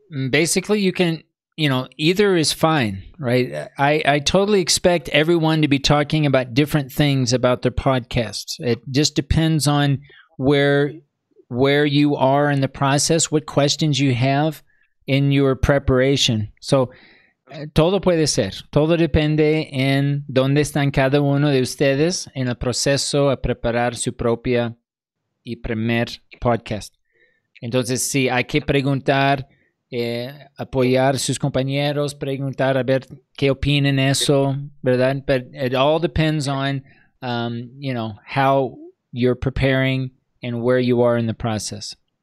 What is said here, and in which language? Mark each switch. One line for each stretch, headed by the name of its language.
English: Basically, you can, you know, either is fine, right? I totally expect everyone to be talking about different things about their podcasts. It just depends on where you are in the process, what questions you have in your preparation.
Spanish: So, todo puede ser. Todo depende en dónde están cada uno de ustedes en el proceso a preparar su propia y primer podcast. Entonces, sí, hay que preguntar, apoyar sus compañeros, preguntar a ver qué opinan eso, ¿verdad?
English: But it all depends on, you know, how you're preparing and where you are in the process.